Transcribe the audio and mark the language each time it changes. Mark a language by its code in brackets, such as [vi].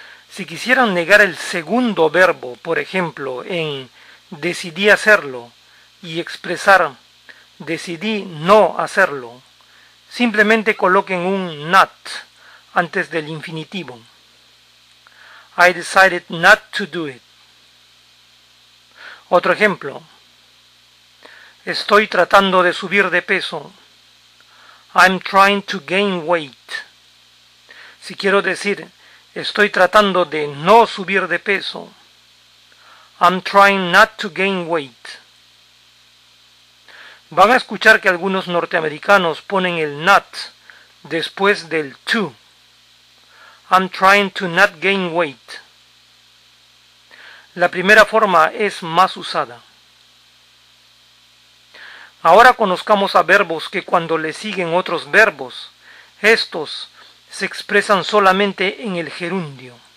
[es] Si quisieran negar el segundo verbo, por ejemplo, en decidí hacerlo y expresar decidí no hacerlo, simplemente coloquen un not antes del infinitivo. [en] I decided not to do it. [es] Otro ejemplo. Estoy tratando de subir de peso. [en] I'm trying to gain weight. [es] Si quiero decir, estoy tratando de no subir de peso. [en] I'm trying not to gain weight. [es] Van a escuchar que algunos norteamericanos ponen el not después del to. [en] I'm trying to not gain weight. [es] La primera forma es más usada. Ahora conozcamos a verbos que cuando le siguen otros verbos, estos se expresan solamente en el gerundio.